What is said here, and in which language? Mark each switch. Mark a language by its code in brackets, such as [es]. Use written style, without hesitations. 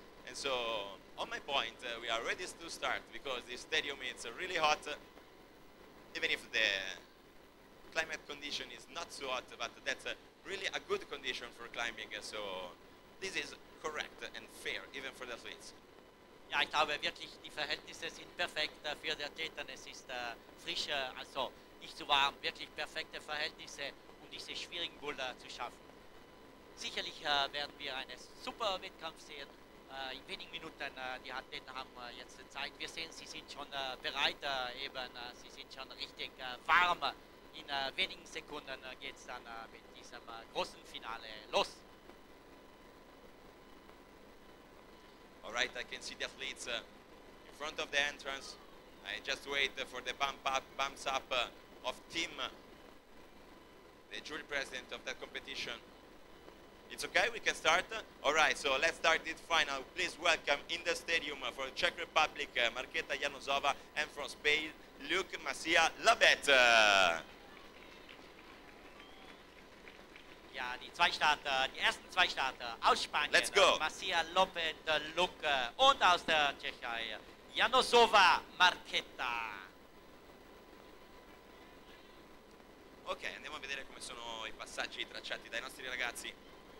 [en] And so, on my point, we are ready to start because this stadium is really hot. Even if the climate condition is not so hot, but that's really a good condition for climbing. So, this is correct and fair, even for the athletes. [de] Ja, ich glaube wirklich, die Verhältnisse sind perfekt für die Athleten. Es ist frisch, also nicht zu warm. Wirklich perfekte Verhältnisse, um diese schwierigen Boulder zu schaffen. Sicherlich werden wir einen super Wettkampf sehen. In wenigen Minuten, die Athleten haben jetzt Zeit. Wir sehen, sie sind schon bereit, eben, sie sind schon richtig warm. In wenigen Sekunden geht es dann mit diesem großen Finale los. [en] Alright, I can see the athletes in front of the entrance. I just wait for the bumps up of Tim, the jury president of that competition. It's okay, we can start? Alright, so let's start this final. Please welcome in the stadium for Czech Republic, Markéta Janosová, and from Spain, Luc Macías Labet. [de] Ja, die zwei Starter, die ersten zwei Starter aus Spanien. [en] Let's go. [de] Macías López, Luke und aus der Tschechei, Janosová Markéta. [it] Ok, andiamo a vedere come sono i passaggi tracciati dai nostri ragazzi.